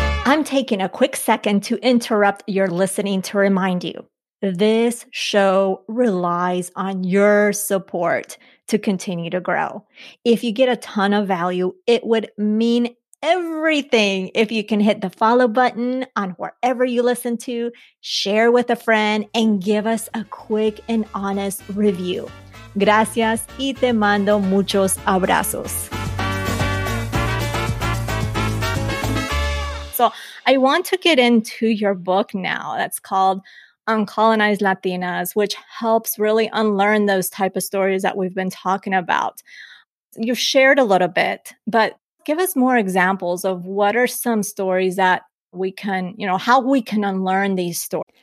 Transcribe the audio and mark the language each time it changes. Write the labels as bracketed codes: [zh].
[en] I'm taking a quick second to interrupt your listening to remind you, this show relies on your support to continue to grow. If you get a ton of value, it would mean everything if you can hit the follow button on wherever you listen to, share with a friend, and give us a quick and honest review. [es] Gracias y te mando muchos abrazos. [en] So I want to get into your book now that's called Uncolonized Latinas, which helps really unlearn those type of stories that we've been talking about. You've shared a little bit, but give us more examples of what are some stories that we can, you know, how we can unlearn these stories.